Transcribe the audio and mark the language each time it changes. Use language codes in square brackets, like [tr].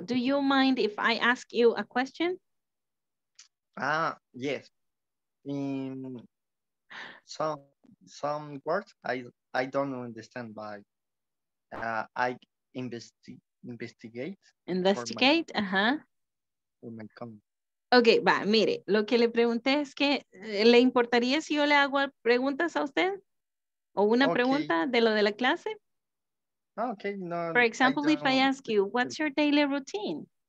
[en] Do you mind if I ask you a question? Ah, yes. Some words I don't understand, but I investigate. Investigate, For my comment. [es] Okay, va, mire. Lo que le pregunté es que, ¿le importaría si yo le hago preguntas a usted? ¿O una pregunta de lo de la clase? [en] Okay, no. For example, I ask you, what's your daily routine?